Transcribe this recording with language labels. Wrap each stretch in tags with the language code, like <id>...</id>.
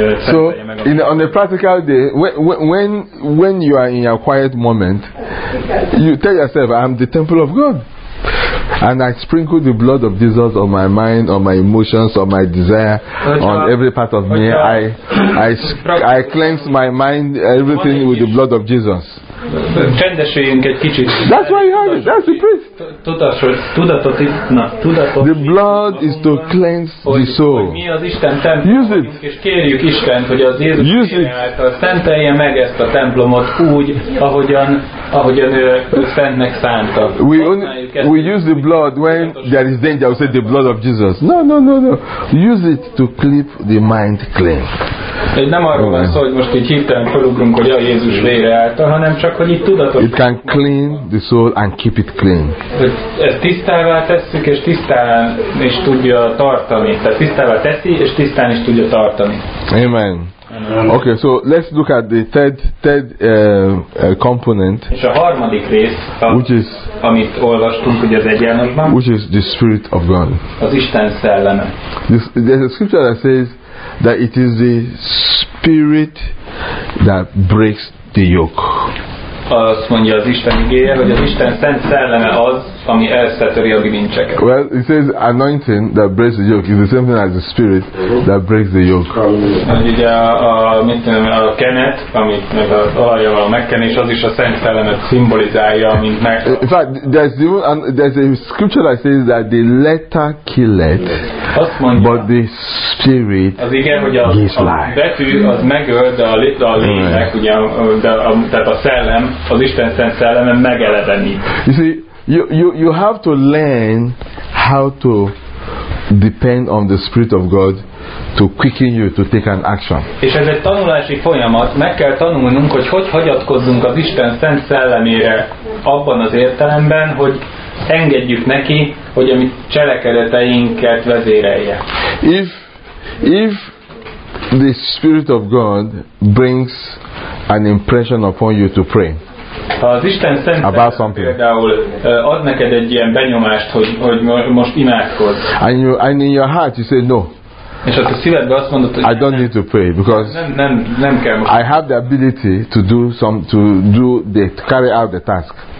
<en>so in on a practical day, when you are in your quiet moment, you tell yourself, I am the temple of God, and I sprinkle the blood of Jesus on my mind, on my emotions, on my desire, on every part of me. I cleanse my mind, everything with the blood of Jesus.</en> <hu>csendesüljünk egy kicsit.</hu> <en>That's why you heard it. That's the priest.</en> <hu>Tudatot is, na, tudatot.</hu> <en>The blood is to cleanse the soul.</en> <hu>Mi az Isten templomunk, és kérjük Istent, hogy az Jézus által szentelje meg ezt a templomot úgy, ahogyan ő szentnek szánta.</hu> <en>We use the blood when there is danger. We say the blood of Jesus. No. Use it to keep the mind clean.</en> <hu>Egy nem arról van szó, hogy most így hirtelen felugrunk, hogy a Jézus vére által, hanem csak, hogy itt tudatos.</hu> <en>It can clean the soul and keep it clean.</en> <hu>Ezt tisztává tesszük, és tisztán is tudja tartani. Tehát tisztává teszi, és tisztán is tudja tartani. Amen.</hu> <en>Okay, so let's look at the third component.</en> <hu>És a harmadik rész, amit olvastunk, ugye az egyenlőben.</hu> <en>Which is the Spirit of God.</en> <hu>Az Isten szelleme.</hu> <en>There's a scripture that says that it is the Spirit that breaks the yoke.</en> <hu>Azt mondja az Isten igéje, hogy az Isten szent szelleme az, ami elszetöri a bilincseket.</hu> <en>Well, it says anointing that breaks the yoke is the same thing as the Spirit that breaks the yoke.</en> <hu>Hogy ugye a kenet, amit meg az olajjal megkenés, az is a szent szellemet szimbolizálja, mint meg.</hu> <en>In fact, there's a scripture that says that the letter killeth, but the Spirit gives life.</en> <hu>A betű az megöl, de a lélek, ugye, tehát a szellem, az Isten szent szelleme megelevenít.</hu> <en>You see, You have to learn how to depend on the Spirit of God to quicken you to take an action.</en> <hu>És ez egy tanulási folyamat, meg kell tanulnunk, hogy hagyatkozzunk az Isten szent szellemére abban az értelemben, hogy engedjük neki, hogy a mi cselekedeteinket vezérelje.</hu> <en>If the Spirit of God brings an impression upon you to pray.</en> <hu>Ha az Isten szent például ad neked egy ilyen benyomást, hogy most imádkozz.</hu> <en>And in your heart you say no.</en> <hu>És azt a szívedben azt mondod, hogy</hu> <en>I don't need to pray because</en> <hu>nem kell most.</hu> <en>I have the ability to do some to carry out the task.</en>